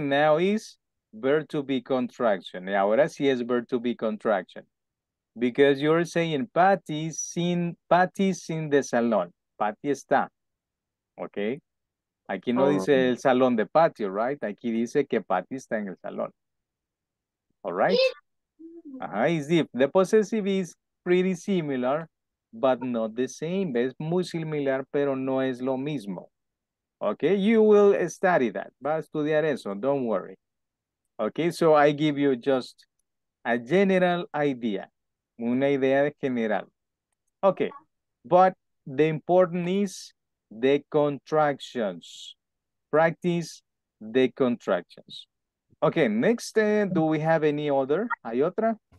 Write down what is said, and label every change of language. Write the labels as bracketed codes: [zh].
[en] Now is verb to be contraction. [es] Y ahora sí es [en] verb to be contraction. Because you're saying Patty's in the salón. [es] Patty está. [en] Ok. [es] Aquí no dice el salón de Patty, right? Aquí dice que Patty está en el salón. [en] All right? Uh-huh, is deep. The possessive is pretty similar, but not the same. [es] Es muy similar, pero no es lo mismo. [en] Okay, you will study that. [es] Va a estudiar eso, [en] don't worry. Okay, so I give you just a general idea. [es] Una idea general. [en] Okay, but the important is the contractions. Practice the contractions. Okay, next, do we have any other? [es] ¿Hay otra?